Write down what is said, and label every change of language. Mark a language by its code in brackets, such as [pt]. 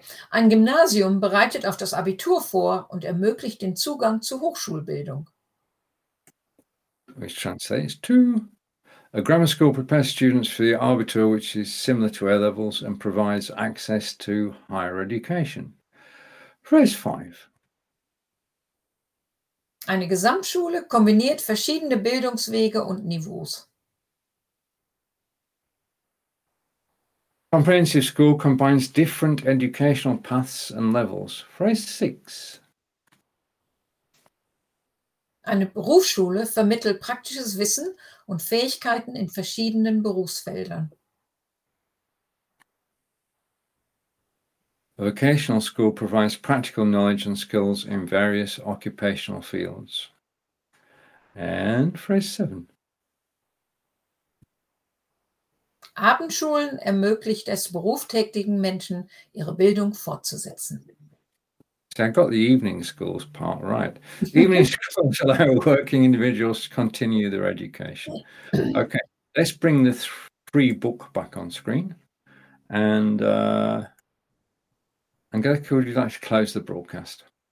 [de] Ein Gymnasium bereitet auf das Abitur vor und ermöglicht den Zugang zur Hochschulbildung. [en] Which translates to? A grammar school prepares students for the Abitur, which is similar to A-levels and provides access to higher education. Phrase 5. [de] Eine Gesamtschule kombiniert verschiedene Bildungswege und Niveaus. [en] Comprehensive school combines different educational paths and levels. Phrase 6. [de] Eine Berufsschule vermittelt praktisches Wissen und Fähigkeiten in verschiedenen Berufsfeldern. [en] A vocational school provides practical knowledge and skills in various occupational fields. And phrase 7. [de] Abendschulen ermöglicht es berufstätigen Menschen, ihre Bildung fortzusetzen. [en] See, I got the evening schools part right. Evening schools allow working individuals to continue their education. Okay, let's bring the free book back on screen. And Angelika, would you like to close the broadcast?